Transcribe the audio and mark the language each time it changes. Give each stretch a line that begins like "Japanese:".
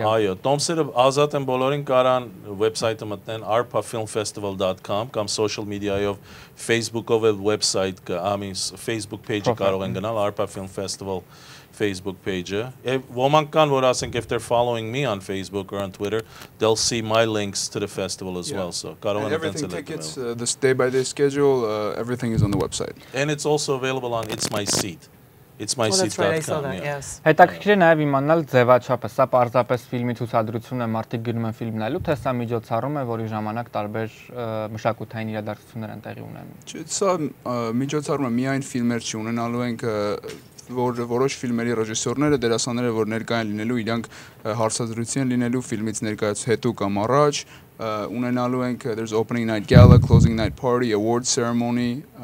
Armenian: եւ Այո, Տոմսերը ազատ են բոլորին կարան վեբսայթը մտնեն arpafilmfestival.com կամ social media-յով Facebook-ով էլ website-ը,
English: I mean
Armenian: Facebook page-ը կարող են գնալ Arpa Film Festival Facebook page-ը։ Եվ ոմանք կան, որ ասենք
English: if they're following me on Facebook or on Twitter, they'll see my links to the festival as well, so
Armenian: կարող են դենց էլ։
English: Everything tickets, the day-by-day schedule, everything is on the website. And it's also available on It's My Seat. It's my seat.com.
Armenian: Հետաքրքիր է նաև իմանալ ձևաչափը։ Սա պարզապես ֆիլմի ցուցադրությունն է, մարդիկ գնում են ֆիլմ նայելու, թե սա միջոցառում է, որի ժամանակ տարբեր մշակութային իրադարձություններ են տեղի ունենում։ Չէ, սա միջոցառում է միայն ֆիլմեր չի ունենալու, ենք որ որոշ ֆիլմերի ռեժիսորները, դերասանները, որ ներկա են լինելու, իրանք հարցազրույցի են լինելու ֆիլմից ներկայաց հետո կամ առաջ, ունենալու ենք
English: there's opening night gala, closing night party, award ceremony,